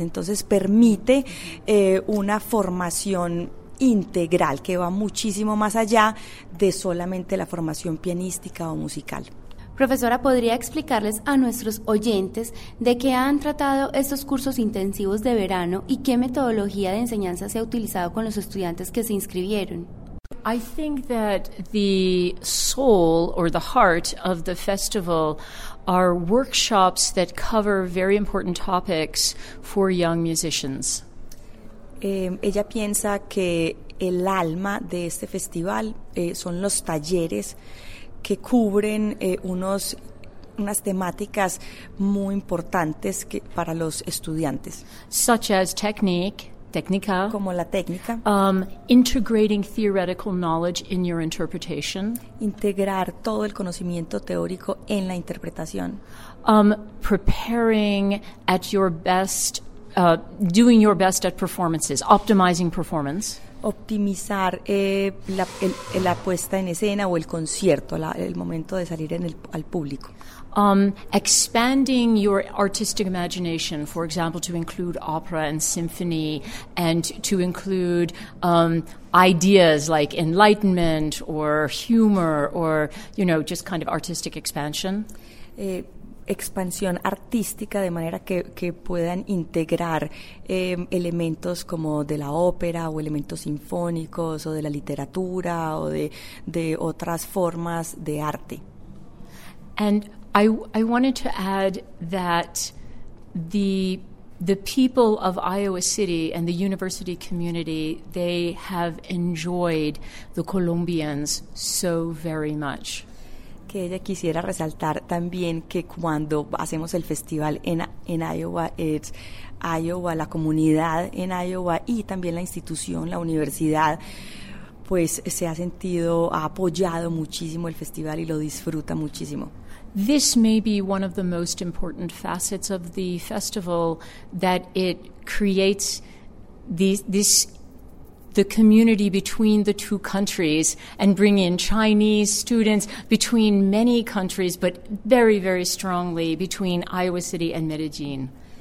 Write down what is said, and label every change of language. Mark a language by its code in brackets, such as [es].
[es] Entonces permite una formación integral que va muchísimo más allá de solamente la formación pianística o musical. Profesora, ¿podría explicarles a nuestros oyentes de qué han tratado estos cursos intensivos de verano y qué metodología de enseñanza se ha utilizado con los estudiantes que se inscribieron? [en] I think that the soul or the heart of the festival are workshops that cover very important topics for young musicians. [es] Ella piensa que el alma de este festival son los talleres que cubren unas temáticas muy importantes para los estudiantes. [en] Such as técnica. [es] Como la técnica. [en] Integrating theoretical knowledge in your interpretation. [es] Integrar todo el conocimiento teórico en la interpretación. [en] Preparing at your best, doing your best at performances, optimizing performance. [es] Optimizar la puesta en escena o el concierto, el momento de salir al público. [en] Expanding your artistic imagination, for example, to include opera and symphony, and to include ideas like enlightenment or humor or, you know, just kind of artistic expansion. [es] Expansión artística, de manera que puedan integrar elementos como de la ópera o elementos sinfónicos o de la literatura o de otras formas de arte. [en] And I wanted to add that the people of Iowa City and the university community, they have enjoyed the Colombians so very much. [es] Que ella quisiera resaltar también que cuando hacemos el festival en Iowa, es Iowa, la comunidad en Iowa y también la institución, la universidad, pues se ha sentido, ha apoyado muchísimo el festival y lo disfruta muchísimo. [en] This may be one of the most important facets of the festival, that it creates the community between the two countries and bring in Chinese students between many countries, but very, very strongly between Iowa City and Medellín.